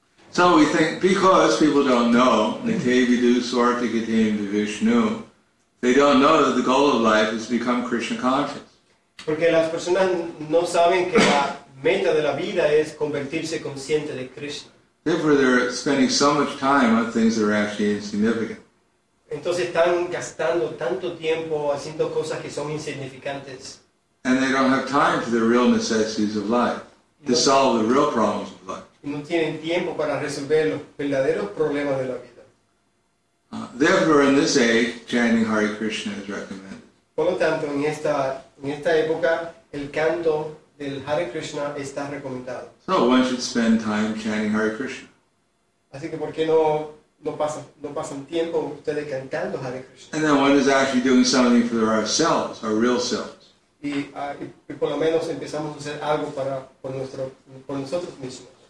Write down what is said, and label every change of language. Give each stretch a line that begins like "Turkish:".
English: So we think, because people don't know, Vishnu, they don't know that the goal of life is to become Krishna conscious.
Spanish: Porque las personas no saben que la meta de la vida es convertirse consciente de Krishna.
English: Therefore, they're spending so much time on things that are actually insignificant.
Spanish: Entonces están gastando tanto tiempo haciendo cosas que son insignificantes.
English: And they don't have time for the real necessities of life, to solve the real problems of life.
Spanish: No tienen tiempo para resolver los verdaderos problemas de la vida.
English: Therefore, in this age, chanting Hare Krishna is recommended.
Spanish: Por lo tanto, en esta época, el canto del Hare Krishna está recomendado.
English: So one should spend time chanting Hare Krishna.
Spanish: Así que, ¿por qué no pasan tiempo ustedes cantando Hare Krishna?
English: And then one is actually doing something for ourselves, our real selves.
Spanish: Y por lo menos empezamos a hacer algo por nosotros mismos.